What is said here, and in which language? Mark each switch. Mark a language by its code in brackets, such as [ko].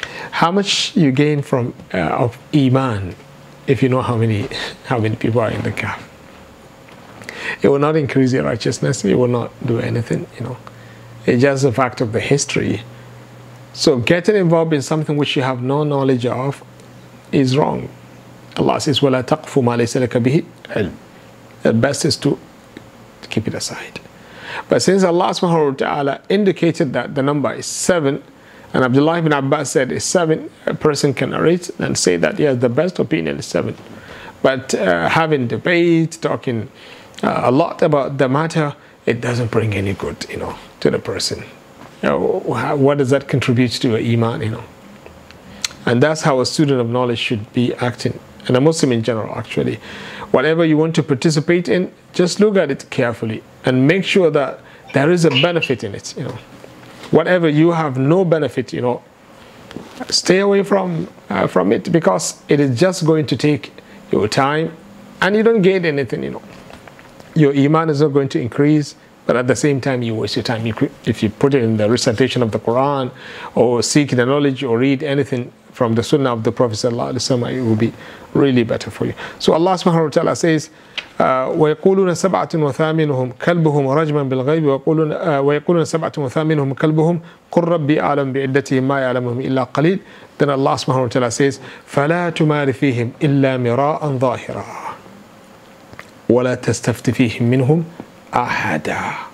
[en] How much you gain from of Iman if you know how many people are in the Kahf? It will not increase your righteousness. It will not do anything, you know. It's just a fact of the history. So getting involved in something which you have no knowledge of is wrong. Allah says, [ar] وَلَا تَقْفُ مَا لَيْسَ لَكَ بِهِ عِلْمٍ. [en] The best is to keep it aside. But since Allah subhanahu wa ta'ala indicated that the number is seven, and Abdullah ibn Abbas said it's seven, a person can narrate and say that, yes, the best opinion is seven. But having debate, talking a lot about the matter, it doesn't bring any good, you know, to the person. You know, what does that contribute to your iman, you know? And that's how a student of knowledge should be acting, and a Muslim in general, actually. Whatever you want to participate in, just look at it carefully and make sure that there is a benefit in it, you know. Whatever you have no benefit, you know, stay away from it, because it is just going to take your time and you don't gain anything, you know. Your iman is not going to increase, but at the same time you waste your time. If you put it in the recitation of the Quran or seek the knowledge or read anything from the Sunnah of the Prophet sallallahu alaihi wasallam, it will be really better for you. So Allah subhanahu wa ta'ala says, [ar] وَيَقُولُونَ سَبْعَةٌ وَثَامِنُهُمْ كَلْبُهُمْ رَجْمًا بِالْغَيْبِ وَيَقُولُونَ سَبْعَةٌ وَثَامِنُهُمْ كَلْبُهُمْ قُلْ رَبِّي أَعْلَمُ بِعِدَّتِهِمْ مَا يَعْلَمُهُمْ إِلَّا قَلِيلٌ. [en] Then Allah subhanahu wa ta'ala says, [ar] فَلَا تُمَارِ فِيهِمْ إِلَّا مِرَاءً ظَاهِرًا وَلَا تَسْتَفْتِ فِيهِمْ مِنْهُمْ أَحَدًا.